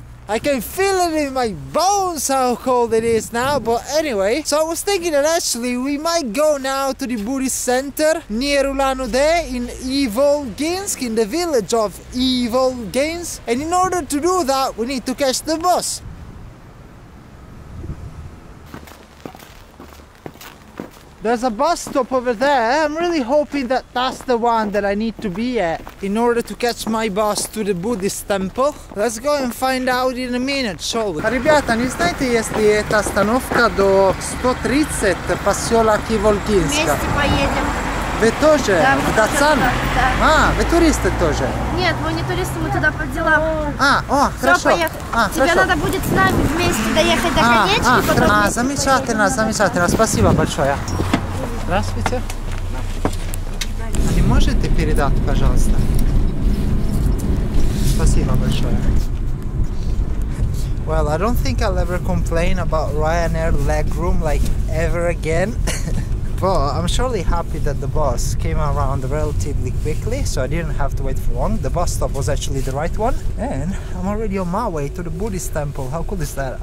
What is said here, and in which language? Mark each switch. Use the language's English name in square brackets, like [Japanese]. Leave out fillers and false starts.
[English] I can feel it in my bones how cold it is now, but anyway, so I was thinking that actually we might go now to the Buddhist center near Ulan Ude in Ivolginsk, in the village of Ivolginsk, and in order to do that we need to catch the bus. There's a bus stop over there. I'm really hoping that that's the one that I need to be at in order to catch my bus to the Buddhist temple. Let's go and find out in a minute, shall we? [Russian] Ребята, не знаете, если эта остановка до 130 поселок Ивольгинска? Вместе поедем. Вы тоже? Да, да, Дацан? Да. А, вы туристы тоже? Нет, мы не туристы, мы туда по делам. А, о, хорошо. Все, поехали. Тебе хорошо. Надо будет с нами вместе доехать до конечки. А, замечательно, поедем. Замечательно. Спасибо большое. Здравствуйте. Не можете передать, пожалуйста? Спасибо большое. [English] Well, I don't think I'll ever complain about Ryanair legroom like ever again. But I'm surely happy that the bus came around relatively quickly, so I didn't have to wait for long. The bus stop was actually the right one. And I'm already on my way to the Buddhist temple. How cool is that?